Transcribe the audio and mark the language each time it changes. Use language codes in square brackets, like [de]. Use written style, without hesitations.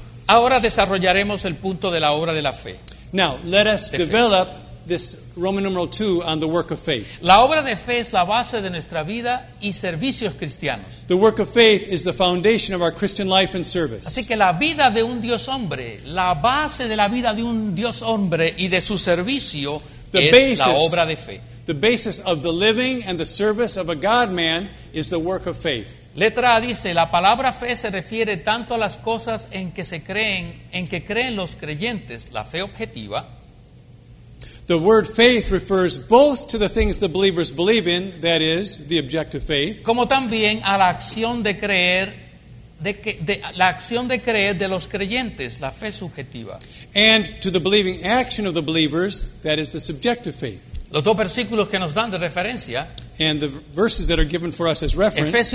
[es] Ahora desarrollaremos el punto de la obra de la fe. [en] Now, let us develop this Roman numeral 2 on the work of faith. [es] La obra de fe es la base de nuestra vida y servicios cristianos. [en] The work of faith is the foundation of our Christian life and service. [es] Así que la vida de un Dios hombre, la base de la vida de un Dios hombre y de su servicio es la obra de fe. [en] The basis of the living and the service of a God-man is the work of faith. [es] Letra A dice, la palabra fe se refiere tanto a las cosas en que se creen, en que creen los creyentes, la fe objetiva. [en] The word faith refers both to the things the believers believe in, that is, the objective faith. [es] Como también a la acción de creer, de los creyentes, la fe subjetiva. [en] And to the believing action of the believers, that is, the subjective faith. [es] Los dos versículos que nos dan de referencia. [en] And the verses that are given for us as reference.